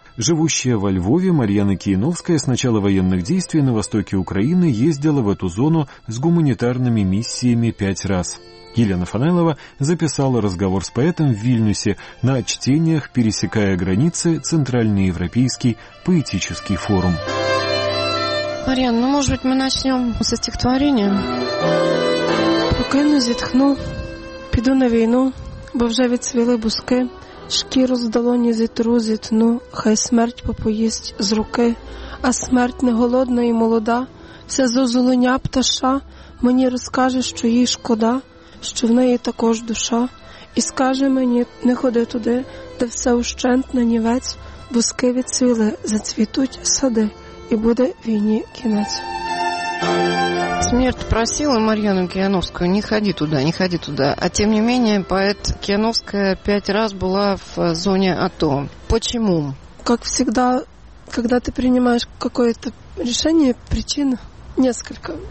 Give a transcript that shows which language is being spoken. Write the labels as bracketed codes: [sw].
[ru] Живущая во Львове, Марьяна Кияновская с начала военных действий на востоке Украины ездила в эту зону с гуманитарными миссиями 5 раз. Елена Фанайлова записала разговор с поэтом в Вильнюсе на чтениях «Пересекая границы. Центральноевропейский поэтический форум». Марьяна, ну, может быть, мы начнем со стихотворения? [uk] «Покину, зітхну, піду на війну, бо вже відцвіли буски, шкіру з долоні зітру, зітну, хай смерть попоїсть з руки, а смерть не голодна і молода, все зозуленя пташа, мені розкаже, що їй шкода, що в неї також душа, і скаже мені, не ходи туди, де все ущент на нівець, буски відцвіли, зацвітуть сади». И будет вине кинать. [ru] Смерть просила Марьяну Кияновскую: не ходи туда, не ходи туда. А тем не менее, поэт Кияновская 5 раз была в зоне АТО. Почему? Как всегда, когда ты принимаешь какое-то решение, причин несколько.